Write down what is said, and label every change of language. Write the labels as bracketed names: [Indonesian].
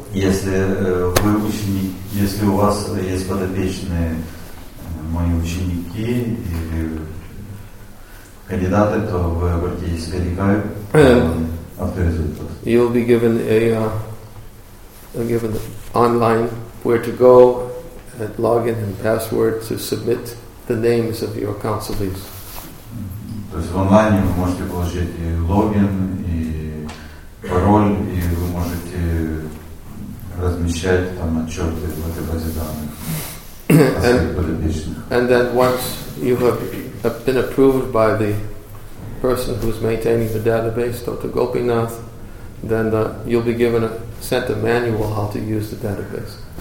[Russian] Если у вас есть подопечные мои ученики или кандидаты, то вы обратитесь к Адхикави, авторизуйте. [English] You'll be given given online where to go, and login and password to submit the names of your counselees. [Russian] То есть в онлайне вы можете получить и логин, и пароль, и вы можете размещать там отчеты в этой базе данных своих подопечных. [English] And then once you have been approved by the person who's maintaining the database, Dr. Gopinath, then you'll be given sent a manual how to use the database.